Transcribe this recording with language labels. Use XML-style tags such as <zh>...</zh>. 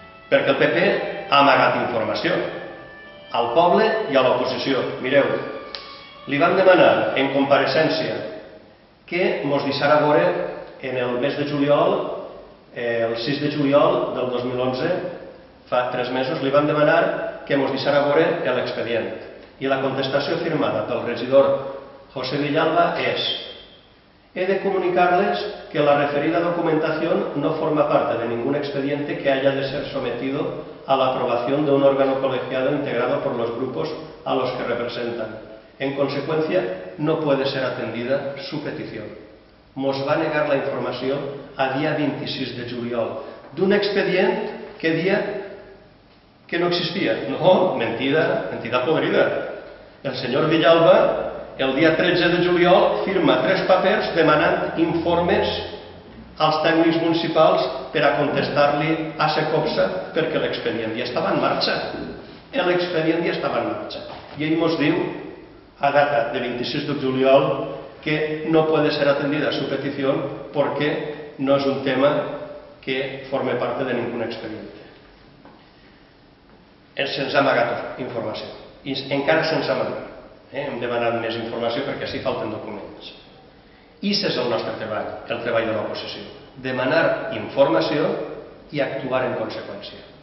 <ca>Perquè el PP ha amagat informació al poble i a l'oposició. Mireu, li vam demanar en compareixença que mos deixara veure en el mes de juliol, el 6 de juliol del 2011, fa 3 mesos, li vam demanar que mos deixara veure l'expedient. I la contestació firmada pel regidor José Villalba és:</ca> <es>he de comunicarles que la referida documentación no forma parte de ningún expediente que haya de ser sometido a la aprobación de un órgano colegiado integrado por los grupos a los que representan. En consecuencia, no puede ser atendida su petición.</es> <ca>Mos va negar</ca> <es>la información a día</es> <ca>26 de juliol d'un expedient que dia que no existia. No, mentida, mentida podrida. El senyor Villalba el dia 13 de juliol firma 3 papers demanant informes als tècnics municipals per a contestar-li a sa copsa perquè l'expedient ja estava en marxa. L'expedient ja estava en marxa. I ell mos diu, a data de 26 de juliol,</ca> <es>que no puede ser atendida a su petición porque no es un tema que forme parte de ningún expediente.</es> <ca>Se'ns ha amagat informació. I encara se'ns ha amagat. Hem demanat més informació perquè així falten documents. I és el nostre treball, el treball de l'oposició. Demanar informació i actuar en conseqüència.</ca>